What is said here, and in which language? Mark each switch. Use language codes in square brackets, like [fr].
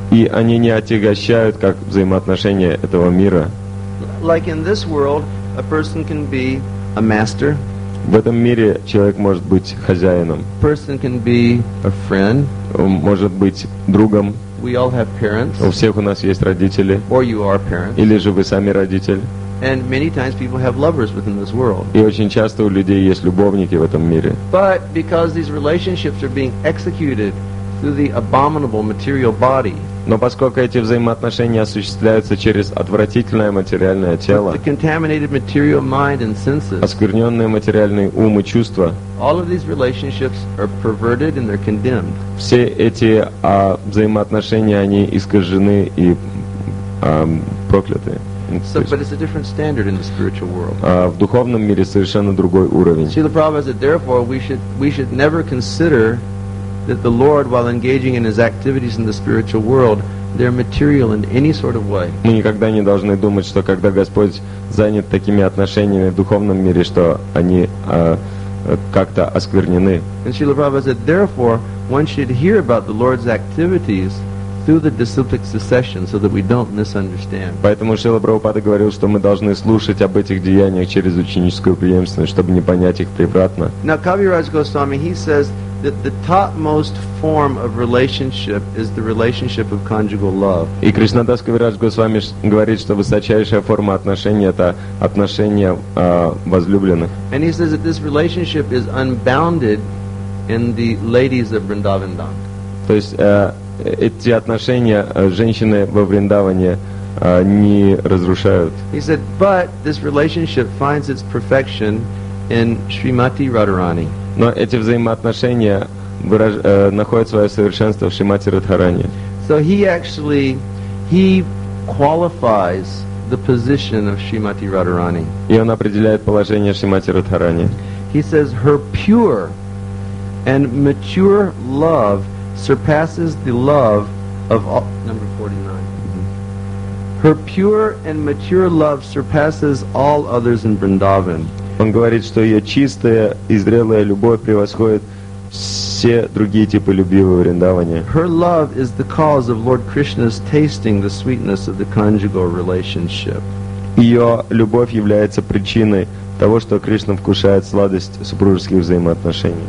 [ru] И они не отягощают, как взаимоотношения этого мира. [en] Like in this world, a person can be a master. [ru] В этом мире человек может быть хозяином. [en] Person can be a friend. [ru] Он может быть другом. [en] We all have parents. [ru] У всех у нас есть родители. [en] Or you are parents. [ru] Или же вы сами родитель. [en] And many times people have lovers within this world. [ru] И очень часто у людей есть любовники в этом мире. [en] But because these relationships are being executed through the abominable material body. [ru] Но поскольку эти взаимоотношения осуществляются через отвратительное материальное тело, [en] the contaminated material mind and senses, [ru] оскверненные материальные ум и чувства, [en] all of these relationships are perverted and they're condemned. [ru] Все эти взаимоотношения, они искажены и прокляты. [en] So, but it's a different standard in the spiritual world. [ru] В духовном мире совершенно другой уровень. [en] See, the problem is that therefore we should never consider that the Lord, while engaging in His activities in the spiritual world, they're material in any sort of way. [ru] Мы никогда не должны думать, что когда Господь занят такими отношениями в духовном мире, что они как-то осквернены. [en] And Srila Prabhupada said, therefore, one should hear about the Lord's activities through the disciplic succession, so that we don't misunderstand. [ru] Поэтому Шрила Прабхупада говорил, что мы должны слушать об этих деяниях через ученическую преемственность, чтобы не понять их превратно. [en] Now, Kaviraj Goswami, he says the topmost form of relationship is the relationship of conjugal love. [ru] И Кришнадас Кавирадж Госвами говорит, что высочайшая форма отношений — это отношения возлюбленных. [en] And he says that this relationship is unbounded in the ladies of Vrindavan Dham. [ru] То есть эти отношения женщины во Вриндаване не разрушают. [en] He said, but this relationship finds its perfection in Shrimati Radharani. [ru] Но эти взаимоотношения находят свое совершенство в Шримати Радхарани. [en] So he actually qualifies the position of Shrimati Radharani. [ru] И он определяет положение Шримати Радхарани. [en] He says her pure and mature love surpasses the love of all, number 49. Her pure and mature love surpasses all others in Vrindavan. [ru] Он говорит, что ее чистая и зрелая любовь превосходит все другие типы любви во Вриндаване. [en] Her love is the cause of Lord Krishna's tasting the sweetness of the conjugal relationship. [ru] Ее любовь является причиной того, что Кришна вкушает сладость супружеских взаимоотношений.